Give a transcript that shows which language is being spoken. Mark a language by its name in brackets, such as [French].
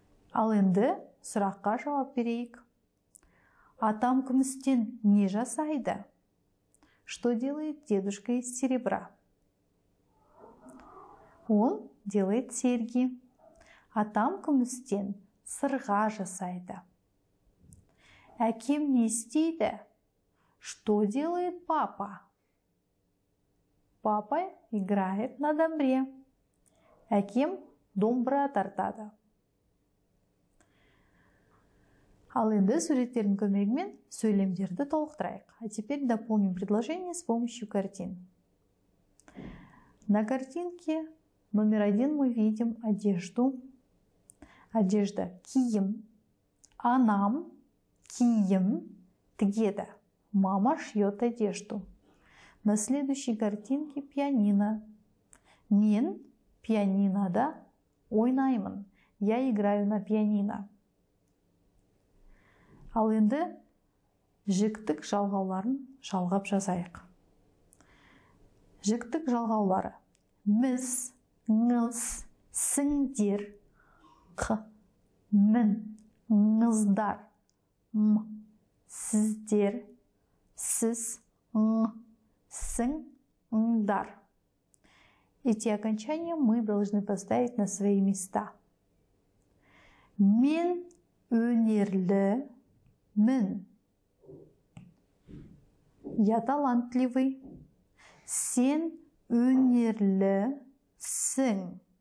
[Kazakh] Ал енді сұраққа жауап берейік. Атам күмістен не жасайды? [Russian] Что делает дедушка из серебра? Он делает серьги. [Kazakh] Атам күмістен сырға жасайды. Әкем не істейді? [Russian] Что делает папа? Папа играет на домбре. [Kazakh] Әкем домбыра тартады. Ал енді суреттердің көмегімен сөйлемдерді толықтырайық. [Russian] А теперь дополним предложение с помощью картин. На картинке номер 1 мы видим одежду. [Kazakh] Одежда киім. Анам киім тігеді. [Russian] Мама шьет одежду. На следующей картинке пианино. [Kazakh] Мен пианинода ойнаймын. [Russian] Я играю на пианино. [Kazakh] Ал енді жіктік жалғауларын жалғап жазайық. Жіктік жалғаулары. Міз, ңыз, сіңдер, қы, мін, ңыздар, м, сіздер, сіз, ң, сің, ңдар. [Russian] Эти окончания мы должны поставить на свои места. [Kazakh] Мен өнерлі. Мен. [Russian] Я талантливый. [Kazakh] Сен өнерлі. Сің.